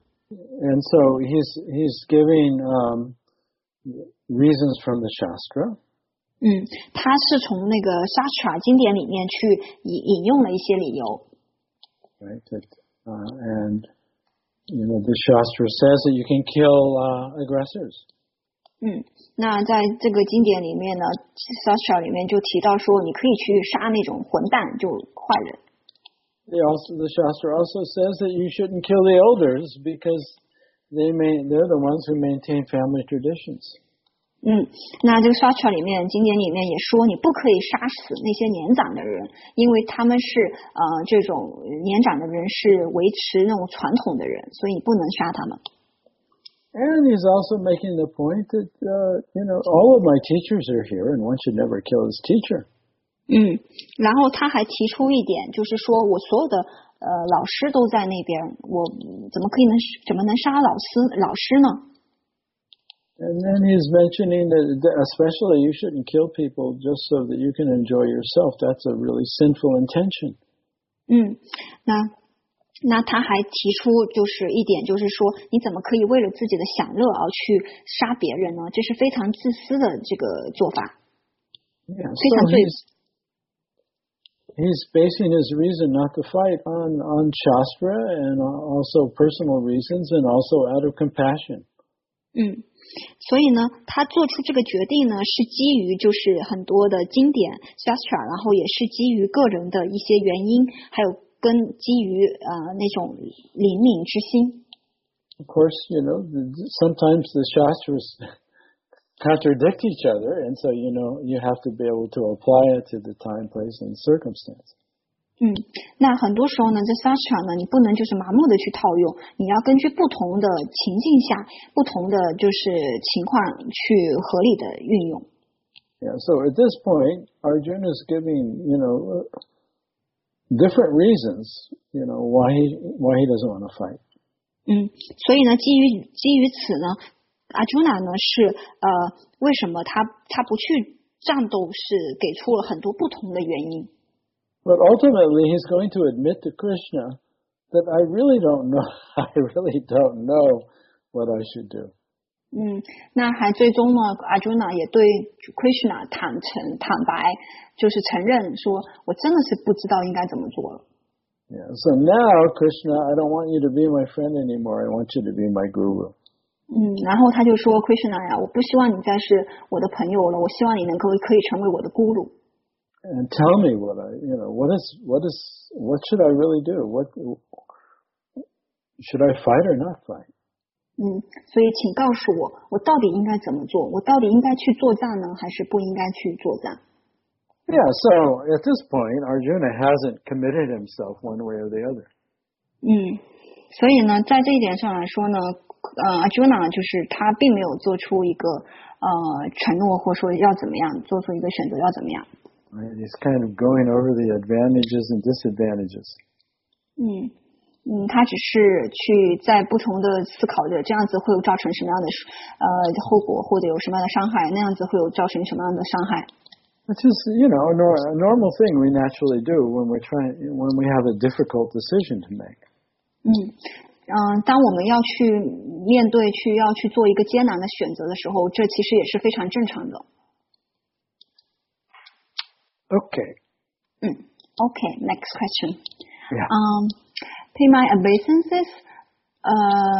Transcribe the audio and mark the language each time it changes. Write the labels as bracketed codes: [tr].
[en] And so he's giving reasons from the Shastra. [zh] 他是从那个 Shastra 经典里面去引用了一些理由。 [en] Right, and you know, the Shastra says that you can kill aggressors. [zh] 那在这个经典里面呢 ，Sastra 里面就提到说，你可以去杀那种混蛋，就坏人。 [en] The Shastra also says that you shouldn't kill the elders because they're the ones who maintain family traditions. [zh] 那这个 Sastra 里面经典里面也说，你不可以杀死那些年长的人，因为他们是这种年长的人是维持那种传统的人，所以你不能杀他们。 [en] And he's also making the point that, you know, all of my teachers are here and one should never kill his teacher. [zh] 嗯，然后他还提出一点，就是说我所有的老师都在那边，我怎么可以能怎么能杀老师呢？ [en] And then he's mentioning that especially you shouldn't kill people just so that you can enjoy yourself. That's a really sinful intention. [zh] 嗯，那他还提出就是一点，就是说你怎么可以为了自己的享乐而去杀别人呢？这是非常自私的这个做法， [en] yeah, [zh] 非常罪。 [en] So He's basing his reason not to fight on Shastra and also personal reasons and also out of compassion. [zh] 所以呢他做出这个决定呢是基于就是很多的经典 Shastra, 然后也是基于个人的一些原因，还有跟基于那种怜悯之心。 [en] Of course, you know, sometimes the Shastras contradict each other, and so you know you have to be able to apply it to the time, place, and circumstance. [zh] 那很多时候呢，这 Shastra 呢，你不能就是麻木的去套用，你要根据不同的情境下、不同的就是情况去合理的运用。 [en] Yeah, so at this point, Arjuna is giving you know different reasons, you know why he doesn't want to fight. [zh] 所以呢，基于此呢。阿朱娜呢是为什么他不去战斗是给出了很多不同的原因。 [en] But ultimately he's going to admit to Krishna that I really don't know what I should do. [zh] 那还最终呢阿朱娜也对 Krishna 坦白就是承认说我真的是不知道应该怎么做了。 [en] Yeah, so now Krishna, I don't want you to be my friend anymore, I want you to be my guru. [zh] 然后他就说 Krishna 呀，我不希望你再是我的朋友了，我希望你能够可以成为我的孤独。 [en] And tell me what I, you know, what should I really do? What should I fight or not fight? [zh] 所以请告诉我，我到底应该怎么做？我到底应该去作战呢，还是不应该去作战 [en] ？Yeah, so at this point, Arjuna hasn't committed himself one way or the other. [zh] 所以呢，在这一点上来说呢。Arjuna 就是他并没有做出一个承诺，或说要怎么样做出一个选择要怎么样。 [en] He's kind of going over the advantages and disadvantages. [zh] 他只是去在不同的思考着这样子会有造成什么样的后果，或者有什么样的伤害，那样子会有造成什么样的伤害。 [en] Which is, you know, a normal thing we naturally do when we have a difficult decision to make. [zh] 当我们要去面对去要去做一个艰难的选择的时候，这其实也是非常正常的。 [en] Okay. Okay. Next question. Yeah. Pay my obeisances.